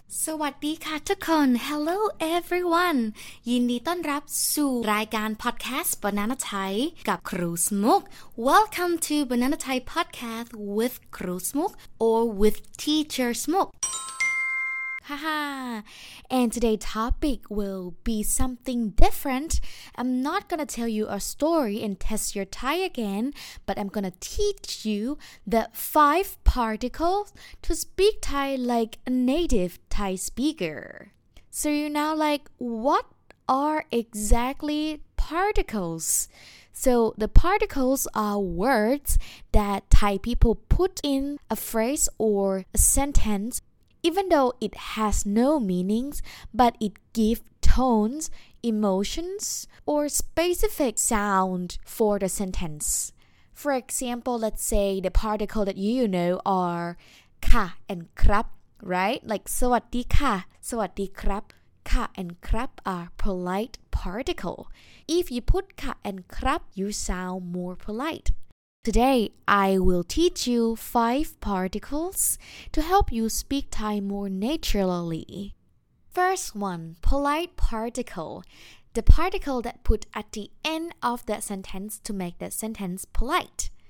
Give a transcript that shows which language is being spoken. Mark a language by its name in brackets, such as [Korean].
[Thai] สวัสดีค่ะทุกคน [English] Hello everyone [Thai] ยินดีต้อนรับสู่รายการ podcast Banana Thai กับครูสมุก [English] Welcome to Banana Thai podcast with ครูสมุก or with teacher สมุกHaha. And today's topic will be something different. I'm not going to tell you a story and test your Thai again, but I'm going to teach you the five particles to speak Thai like a native Thai speaker. So you're now like, what are exactly particles? So the particles are words that Thai people put in a phrase or a sentenceEven though it has no meanings, but it gives tones, emotions, or specific sound for the sentence. For example, let's say the particle that you know are ka and krap, right? Like [Thai] สวัสดีค่ะ สวัสดีครับ [English] ka and krap are polite particle. If you put ka and krap, you sound more polite. Today, I will teach you five particles to help you speak Thai more naturally. First one, polite particle. The particle that put at the end of that sentence to make that sentence polite.